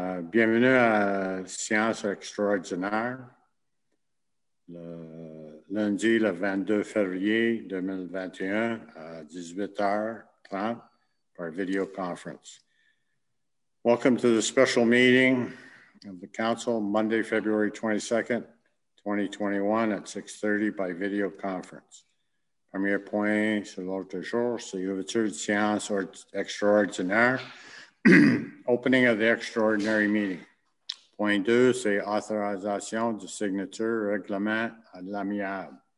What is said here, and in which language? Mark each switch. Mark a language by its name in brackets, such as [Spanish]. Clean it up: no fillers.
[French] Bienvenue à Science Extraordinaire, le lundi le 22 février 2021 à 18h30 par video conference. [English] Welcome to the special meeting of the Council, Monday, February 22nd, 2021 at 6:30 by video conference. [French] Premier point sur l'ordre du jour, c'est l'ouverture de Science Extraordinaire. [English] Opening of the extraordinary meeting. [French] Point 2, c'est authorisation de signature règlement à l'amiable.